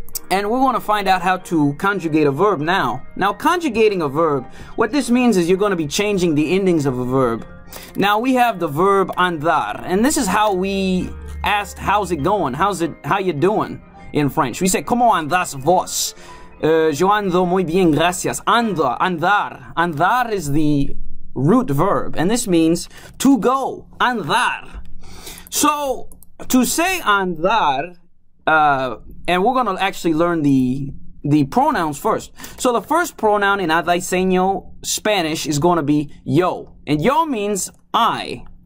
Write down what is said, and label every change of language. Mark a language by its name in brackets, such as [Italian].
[English] And we want to find out how to conjugate a verb now. Now, conjugating a verb, what this means is you're going to be changing the endings of a verb. Now, we have the verb andar, and this is how we asked, how's it going? How you doing in French? We say, [Spanish] ¿Cómo andas vos? Yo ando muy bien, gracias. Ando, andar. [English] Andar is the root verb, and this means to go, andar. So, to say andar, and we're going to actually learn the pronouns first. So, the first pronoun in Adaeseño Spanish is going to be yo, and yo means I.